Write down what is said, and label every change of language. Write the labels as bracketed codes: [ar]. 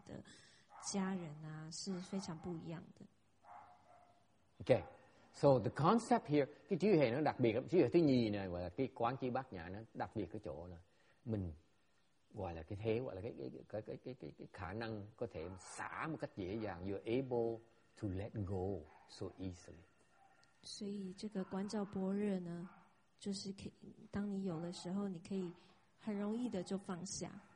[zh] 法师就说这个他跟你们现在这个目前的状态像你们非常的执着于爱你们的车子啊爱你们的家人啊是非常不一样的 [en] OK. So the concept here, [vi] cái chữ hệ nó đặc biệt, chữ hệ thứ nhì này gọi là cái quán chi bát nhã, nó đặc biệt cái chỗ là mình gọi là cái thế, gọi là cái khả năng có thể xả một cách dễ dàng. [en] You're able to let go so easily. [zh] 所以这个观照般若呢，就是可以当你有的时候，你可以很容易的就放下。